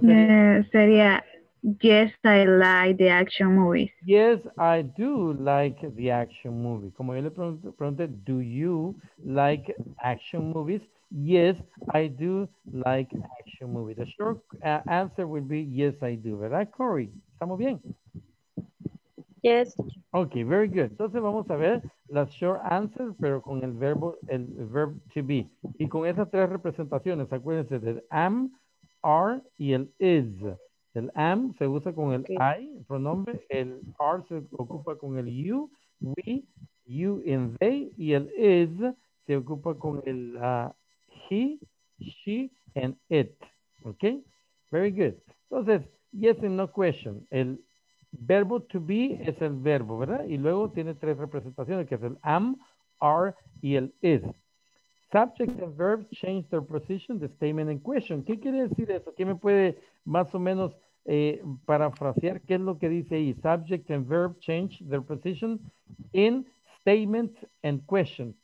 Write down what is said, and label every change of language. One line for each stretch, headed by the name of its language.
Spanish: sería? Sería,
English: yes, I like the action movies. Yes, I do like the action movies.
Spanish: Como yo le pregunté,
English: do you like action movies? Yes, I do like action movies. The short answer would be yes, I do.
Spanish: ¿Verdad, Corey? ¿Estamos bien?
English: Yes. Okay, very good.
Spanish: Entonces vamos a ver las short answers, pero con el verb to be. Y con esas tres representaciones, acuérdense del am, are y el is. El am se usa con el okay. I, el pronombre. El are se ocupa con el you, we, you and they. Y el is se ocupa con el he, she, and it.
English: Okay? Very good.
Spanish: Entonces,
English: yes and no question.
Spanish: El verbo to be es el verbo, ¿verdad? Y luego tiene tres representaciones, que es el am, are, y el is.
English: Subject and verb change their position, the statement and question.
Spanish: ¿Qué quiere decir eso? ¿Qué me puede más o menos parafrasear? ¿Qué es lo que dice ahí?
English: Subject and verb change their position in statement and question.